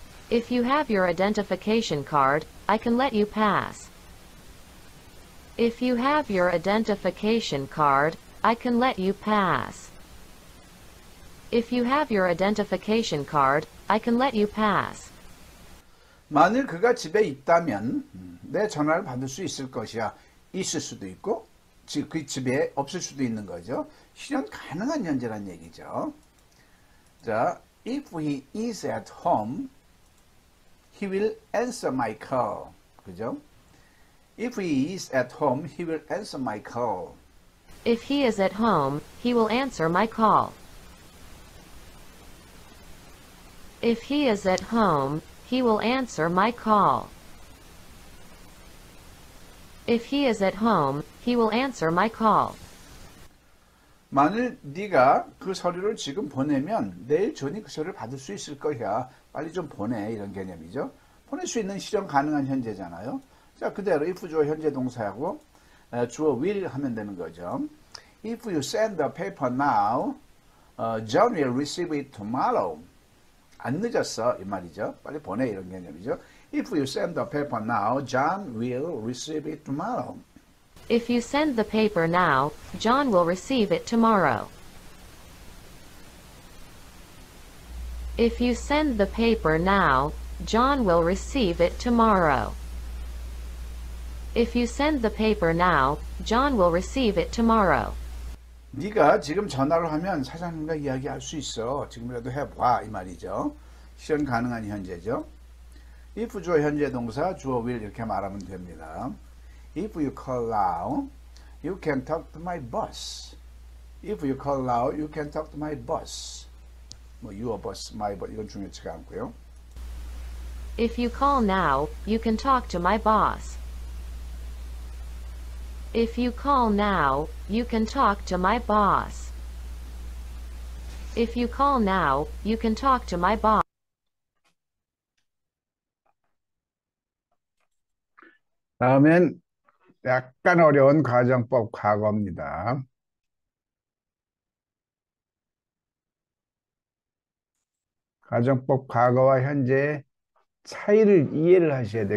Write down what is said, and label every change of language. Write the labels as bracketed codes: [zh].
[en] If you have your identification card, I can let you pass. If you have your identification card, I can let you pass. If you have your identification card, I can let you pass. [ko] 만일 그가 집에 있다면 내 전화를 받을 수 있을 것이야. 있을 수도 있고, 즉그 집에 없을 수도 있는 거죠. 실현 가능한 현재란 얘기죠. [en] 자, if he is at home, he will answer my call. 그죠? If he is at home, he will answer my call. If he is at home, he will answer my call. If he is at home, he will answer my call. If he is at home, he will answer my call. [ko] 만일 네가 그 서류를 지금 보내면 내일 전에 그 서류를 받을 수 있을 거야. 빨리 좀 보내. 이런 개념이죠. 보낼 수 있는 실현 가능한 현재잖아요. 자, 그대로 if 주어 현재 동사하고 주어 will 하면 되는 거죠. [en] If you send the paper now, John will receive it tomorrow. [ko] 안 늦었어. 이 말이죠. 빨리 보내. 이런 개념이죠. [en] If you send the paper now, John will receive it tomorrow. If you send the paper now, John will receive it tomorrow. If you send the paper now, John will receive it tomorrow. If you send the paper now, John will receive it tomorrow. [ko] 네가 지금 전화를 하면 사장님과 이야기할 수 있어. 지금이라도 해봐. 이 말이죠. 실현 가능한 현재죠. If 주어 현재 동사, 주어 will 이렇게 말하면 됩니다. [en] If you call loud, you can talk to my boss. If you call loud, you can talk to my boss. [ko] 뭐, [en] your boss, my boss, [ko] 이건 중요치가 않고요. [en] If you call now, you can talk to my boss. If you call now, you can talk to my boss. If you call now, you can talk to my boss. [ko] 다음엔 약간 어려운 과정법 과거입니다. 과정법 과거와 현재의 차이를 이해를 하셔야 돼,